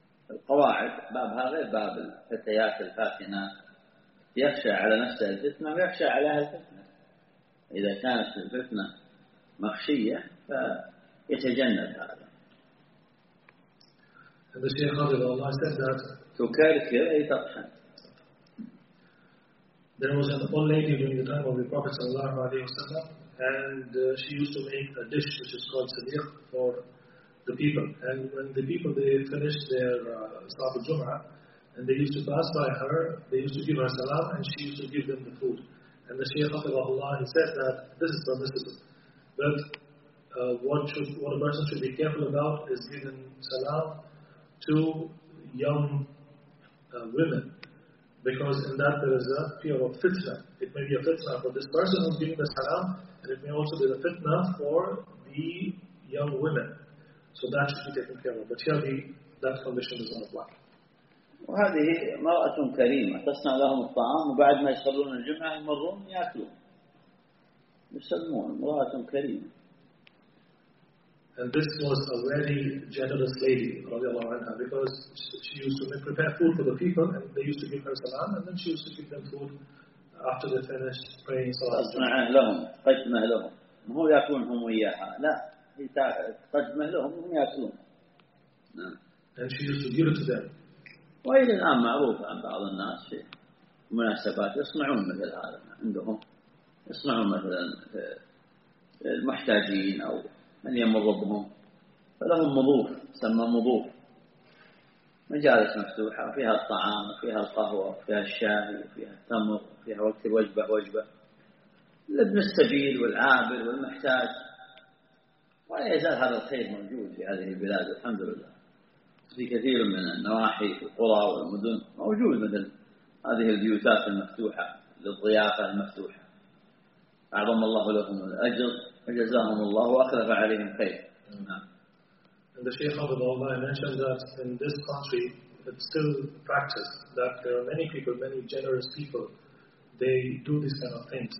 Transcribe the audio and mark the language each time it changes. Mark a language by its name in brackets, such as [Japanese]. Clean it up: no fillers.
[Arabic] القواعد بابها غير باب الفتيات الفاتنات، يخشى على نفسها الفتنة ويخشى عليها الفتنة. إذا كانت الفتنة مخشية فيتجنب هذا. هذا الشيء قال له الله سبحانه وتعالى تكركر أي تطحن. [English] There was an old lady during the time of the Prophet [Arabic] sallallahu alayhi wa sallam, [English] and she used to make a dish which is called sadiq for the people. And when the people, they finished their Salat al-Jum'ah, and they used to pass by her, they used to give her salam, and she used to give them the food. And the Shaykh of Allah, he said that this is permissible. But what a person should be careful about is giving salam to young women, because in that there is a fear of fitna. It may be a fitna for this person who's giving the salam, and it may also be the fitna for the young women. So that should be taken care of. But here, that condition is not black. [Arabic] وهذه امرأة كريمة تصنع لهم الطعام، وبعد ما يصلون الجمعة يمرون يأكلون يسلمون. امرأة كريمة. [English] And this was a very generous lady [Arabic] رضي الله عنها, [English] because she used to prepare food for the people, and they used to give her salam, and then she used to give them food after they finished praying salam. [Arabic] تصنع لهم قدمة لهم، مو يأكلون هم وياها، لا هي تقدم لهم وهم يأكلون. [English] And she used to give it to them. [Arabic] وإلى الآن معروف عن بعض الناس في مناسبات يصنعون مثل هذا، عندهم يصنعون مثلا المحتاجين أو من يمر بهم، فلهم مضوف تسمى مضوف، مجالس مفتوحة فيها الطعام فيها القهوة فيها الشاي فيها التمر فيها وقت الوجبة وجبة لابن السبيل والعابر والمحتاج، ولا يزال هذا الخير موجود في هذه البلاد الحمد لله. في كثير من النواحي في القرى والمدن موجود مثل هذه البيوتات المفتوحة للضيافة المفتوحة. أعظم الله لهم الأجر وجزاهم الله وأخلف عليهم خير. [English] And the Shaykh of Allah mentioned that in this country it's still practiced, that there are many people, many generous people, they do these kind of things.